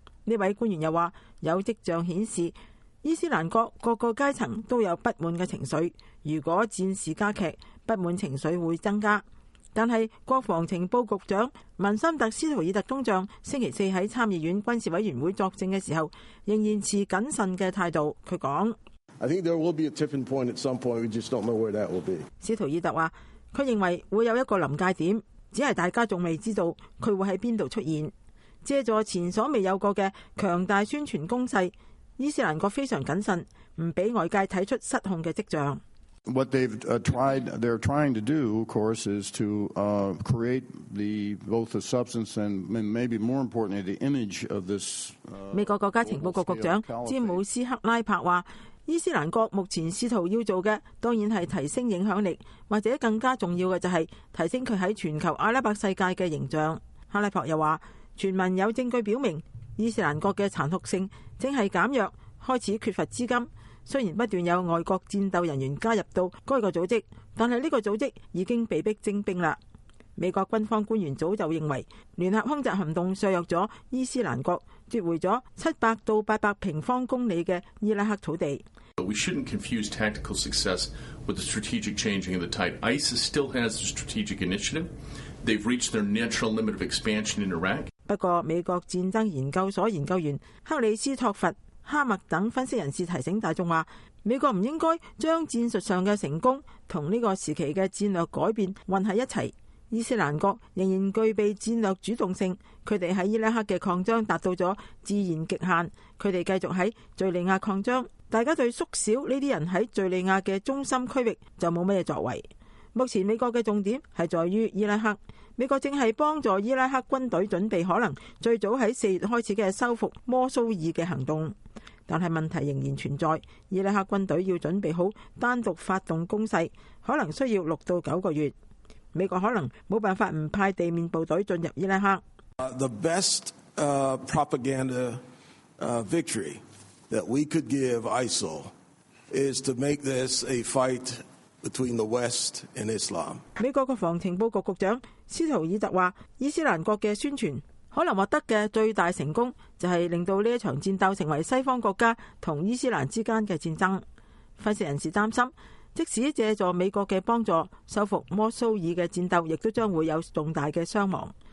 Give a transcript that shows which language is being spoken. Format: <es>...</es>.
<zh>这位官员又说，有迹象显示伊斯兰国各个阶层都有不满的情绪，如果战事加剧，不满情绪会增加。但是国防情报局长文森特·斯图尔特中将星期四在参议院军事委员会作证的时候仍然持谨慎的态度，他说</zh> <en>I think there will be a tipping point at some point, we just don't know where that will be.</en> <zh>斯图尔特说他认为会有一个临界点，只是大家还未知道他会在哪里出现。借助前所未有过的强大宣传攻势，伊斯兰国非常谨慎，不给外界看出失控的迹象。</zh> <en>What they're trying to do, of course, is to create both the substance and maybe more importantly, the image of this.</en> <zh>美国国家情报局局长詹姆斯·克拉帕说，伊斯兰国目前试图要做的当然是提升影响力，或者更加重要的就是提升他在全球阿拉伯世界的形象。克拉帕又说，传闻有证据表明伊斯兰国的残酷性正是减弱，开始缺乏资金。虽然不断有外国战斗人员加入到该个组织，但是这个组织已经被迫征兵了。美国军方官员早就认为联合空袭行动削弱了伊斯兰国夺回了700到800平方公里的伊拉克土地。</zh> <en>But we shouldn't confuse tactical success with the strategic changing of the tide. ISIS still has a strategic initiative. They've reached their natural limit of expansion in Iraq.</en> <zh>不过美国战争研究所研究员克里斯托弗哈默等分析人士提醒大众话，美国不应该将战术上的成功和这个时期的战略改变混在一起。伊斯兰国仍然具备战略主动性，他们在伊拉克的扩张达到了自然极限，他们继续在叙利亚扩张，大家对缩小这些人在叙利亚的中心区域就没什么作为。目前美国的重点是在于伊拉克，美国正是帮助伊拉克军队准备可能最早在4月开始的收复摩苏尔的行动。但是问题仍然存在，伊拉克军队要准备好单独发动攻势，可能需要6到9个月。美国可能没办法不派地面部队进入伊拉克。</zh> <en>The best propaganda victory that we could give ISIL is to make this a fight between the West and Islam.</en> <zh>美国国防情报局局长斯图尔特说，伊斯兰国的宣传可能获得的最大成功就是令到这场战斗成为西方国家和伊斯兰之间的战争。分析人士担心，即使借助美国的帮助收复摩苏尔的战斗亦都将会有重大的伤亡。</zh>